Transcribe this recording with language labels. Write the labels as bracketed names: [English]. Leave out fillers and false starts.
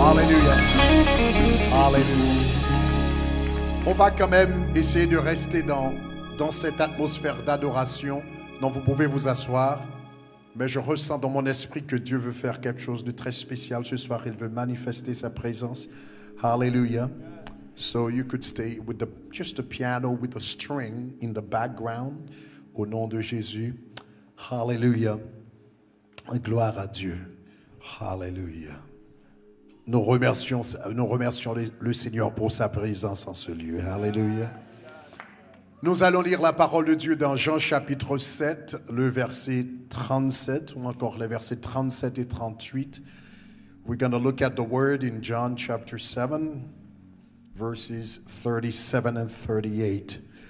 [French] Alléluia. Alléluia. On va quand même essayer de rester dans cette atmosphère d'adoration dont vous pouvez vous asseoir. Mais je ressens dans mon esprit que Dieu veut faire quelque chose de très spécial ce soir. Il veut manifester sa présence. Alléluia. [English] So you could stay with just a piano with a string in the background. [French] Au nom de Jésus. Alléluia. Gloire à Dieu. Alléluia. Nous remercions le Seigneur pour sa présence en ce lieu. Alléluia. Nous allons lire la parole de Dieu dans Jean chapitre 7, le verset 37, ou encore les versets 37 et 38. [English] We're going to look at the word in John chapter 7, verses 37 and 38.